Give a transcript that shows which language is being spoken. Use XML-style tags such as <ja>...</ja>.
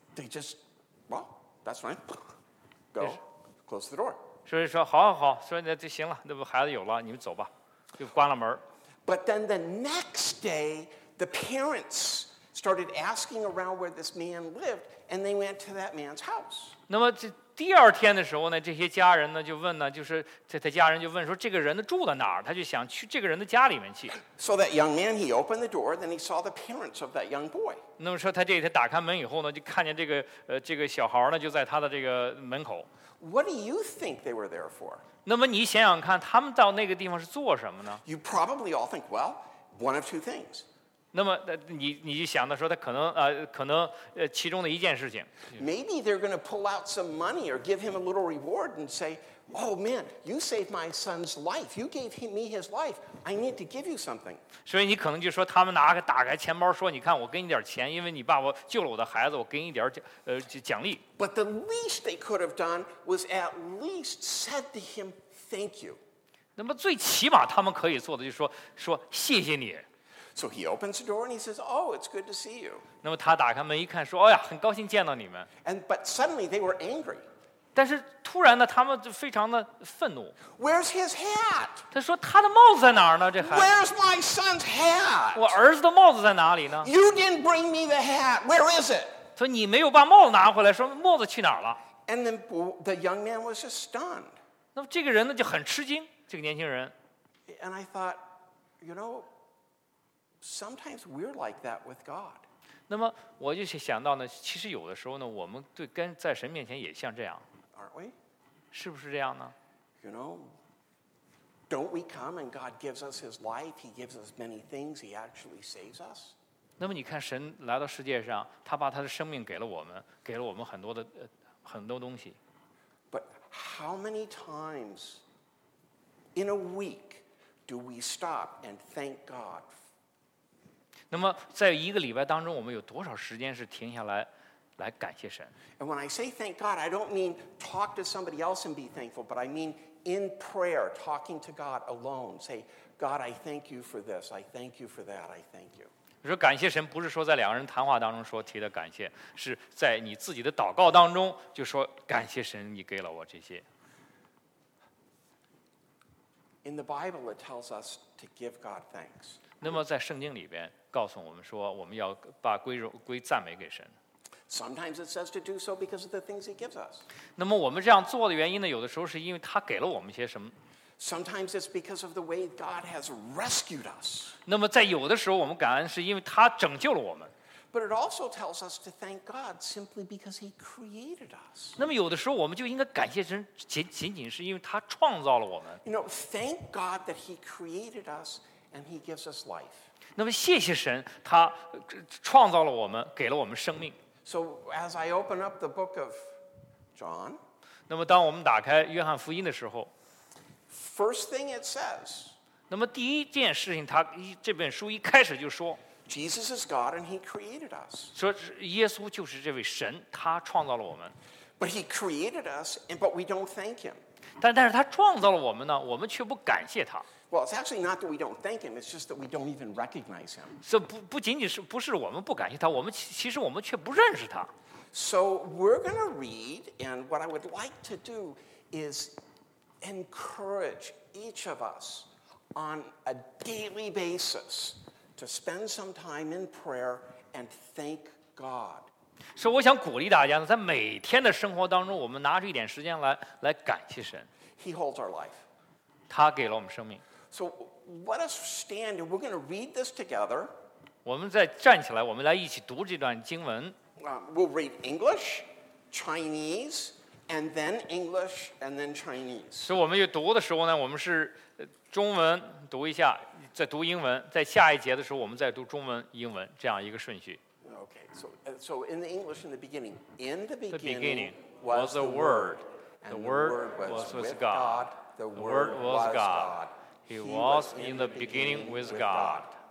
<en>They just, well, that's fine. Go, close the door.</en> <zh>所以说，好好好，说那就行了，那不孩子有了，你们走吧，就关了门。</zh> <en>But then the next day, the parents started asking around where this man lived, and they went to that man's house.</en> <zh>那么这第二天的时候呢，这些家人呢就问呢，就是他家人就问说，这个人住在哪儿？他就想去这个人的家里面去。</zh> <en>So that young man, he opened the door, then he saw the parents of that young boy.</en> <zh>那么说他这一天打开门以后呢，就看见这个小孩呢就在他的这个门口。</zh> <en>What do you think they were there for?</en> <zh>那么你想想看，他们到那个地方是做什么呢</zh> <en>？You probably all think, well, one of two things.</en> <zh>那么你就想到说他可能其中的一件事情。</zh> <en>Maybe they're going to pull out some money or give him a little reward and say, "Oh man, you saved my son's life. You gave me his life. I need to give you something."</en> <zh>所以你可能就说他们打开钱包说，你看我给你点钱，因为你爸爸救了我的孩子，我给你点奖励。</zh> <en>But the least they could have done was at least said to him, "Thank you."</en> <zh>那么最起码他们可以做的就是说谢谢你。</zh> <en>So he opens the door and he says, "Oh, it's good to see you."</en> <zh>那么他打开门一看，说："哎呀，很高兴见到你们。</zh> <en>"And but suddenly they were angry.</en> <zh>但是突然呢，他们就非常的愤怒。</zh> <en>Where's his hat?</en> <zh>他说他的帽子在哪儿呢？这孩子。</zh> <en>Where's my son's hat?</en> <zh>我儿子的帽子在哪里呢</zh> <en>？You didn't bring me the hat. Where is it?</en> <zh>说你没有把帽子拿回来，说帽子去哪儿了</zh> <en>？And then the young man was just stunned.</en> <zh>那么这个人呢就很吃惊，这个年轻人。</zh> <en>And I thought, you know. Sometimes we're like that with God.</en> <zh>那么我就想到呢，其实有的时候呢，我们对跟在神面前也像这样。</zh> <en>Aren't we?</en> <zh>是不是这样呢</zh> <en>？You know, don't we come and God gives us His life? He gives us many things. He actually saves us.</en> <zh>那么你看，神来到世界上，他把他的生命给了我们，给了我们很多的很多东西。</zh> <en>But how many times in a week do we stop and thank God?</en> <zh>那么在一个礼拜当中我们有多少时间是停下来感谢神</zh> <en>And when I say thank God, I don't mean talk to somebody else and be thankful, but I mean in prayer, talking to God alone, say, God, I thank you for this, I thank you for that, I thank you.</en> <zh>你说感谢神不是说在两个人谈话当中说提的感谢，是在你自己的祷告当中就说感谢神你给了我这些。</zh> <en>In the Bible, it tells us to give God thanks.</en> <zh>那么在圣经里边告诉我们说，我们要把归荣归赞美给神。</zh> <en>Sometimes it says to do so because of the things He gives us.</en> <zh>那么我们这样做的原因呢？有的时候是因为他给了我们些什么。</zh> <en>Sometimes it's because of the way God has rescued us.</en> <zh>那么在有的时候我们感恩是因为他拯救了我们。</zh> <en>But it also tells us to thank God simply because He created us.</en> <zh>那么有的时候我们就应该感谢神，仅仅是因为他创造了我们。</zh> <en>You know, thank God that He created us and He gives us life.</en> <zh>那么谢谢神，他创造了我们，给了我们生命。</zh> <en>So as I open up the book of John,</en> <zh>那么当我们打开约翰福音的时候，</zh> <en>First thing it says,</en> <zh>那么第一件事情，他这本书一开始就说</zh> <en>，Jesus is God and He created us.</en> <zh>说耶稣就是这位神，他创造了我们。</zh> <en>But He created us, but we don't thank Him.</en> <zh>但是他创造了我们呢，我们却不感谢他。</zh> <en>Well, it's actually not that we don't thank Him; it's just that we don't even recognize Him.</en> <zh>不仅仅是我们不感谢他，我们其实我们却不认识他。</zh> <en>So we're going to read, and what I would like to do is. Encourage each of us on a daily basis to spend some time in prayer and thank God.</en> <zh>So, 我想鼓励大家呢，在每天的生活当中，我们拿出一点时间来感谢神。</zh> <en>He holds our life.</en> <zh>他给了我们生命。</zh> <en>So, let us stand and we're going to read this together.</en> <zh>我们再站起来，我们来一起读这段经文。</zh> <en>We'll read English, Chinese. And then English, and then Chinese.</en> <zh>是我们读的时候呢，我们是中文读一下，再读英文，在下一节的时候，我们再读中文、英文，这样一个顺序。</zh> <en>Okay, so in the English, in the beginning was the Word, and the Word was with God. The Word was God. He was in the beginning with God.</en>